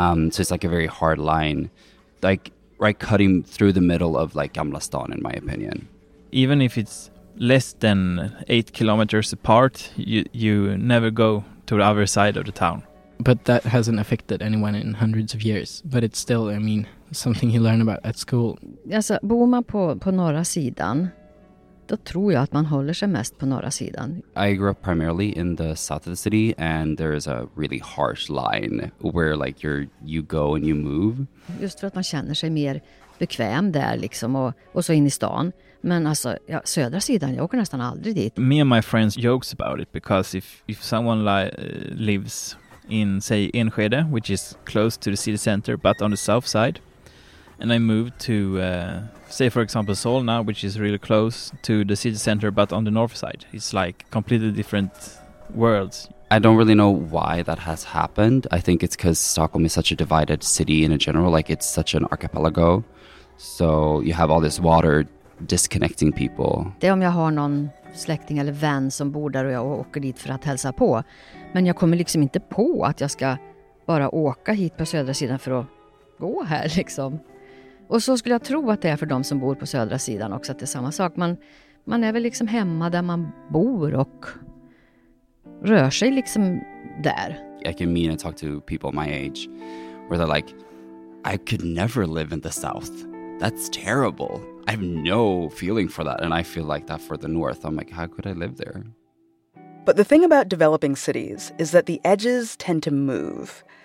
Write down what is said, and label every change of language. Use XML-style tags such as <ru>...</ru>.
<en>So it's like a very hard line, like right cutting through the middle of like Gamla stan, in my opinion. Even if it's less than 8 kilometers apart, you never go to the other side of the town. But that hasn't affected anyone in hundreds of years. But it's still, I mean, something you learn about at school.</en> <sv>Alltså, bor man på norra sidan, då tror jag att man håller sig mest på norra sidan.</sv> <en>I grew up primarily in the south of the city, and there is a really harsh line where like you go and you move.</en> <sv>Just för att man känner sig mer bekväm där liksom, och så in i stan. Men alltså, ja, södra sidan, jag åker nästan aldrig dit.</sv> <en>Me and my friends jokes about it, because if someone lives in, say, Enskede, which is close to the city center, but on the south side, and I moved to, say, for example, Solna, which is really close to the city center, but on the north side, it's like completely different worlds. I don't really know why that has happened. I think it's because Stockholm is such a divided city in general, like it's such an archipelago. So you have all this water disconnecting people.</en> <sv>Det är om jag har någon släkting eller vän som bor där och jag åker dit för att hälsa på. Men jag kommer liksom inte på att jag ska bara åka hit på södra sidan för att gå här liksom. Och så skulle jag tro att det är för de som bor på södra sidan också, att det är samma sak. Man är väl liksom hemma där man bor och rör sig liksom där.</sv> <en>I can mean and talk to people my age where they're like, I could never live in the south. That's terrible. I have no feeling for that, and I feel like that for the north. I'm like, how could I live there? But the thing about developing cities is that the edges tend to move.</en>